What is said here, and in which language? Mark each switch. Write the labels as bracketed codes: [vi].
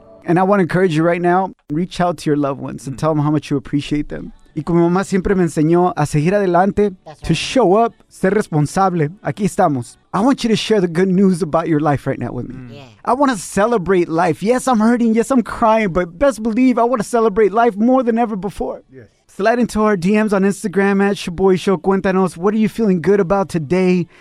[en] And I want to encourage you right now, reach out to your loved ones and tell them how much you appreciate them. [es] Y como mamá siempre me enseñó a seguir adelante, [en] to show up, [es] ser responsable, aquí estamos. [en] I want you to share the good news about your life right now with me. Yeah. I want to celebrate life. Yes, I'm hurting. Yes, I'm crying. But best believe I want to celebrate life more than ever before. Yes. Slide into our DMs on Instagram at Shaboy Show. Cuéntanos, what are you feeling good about today?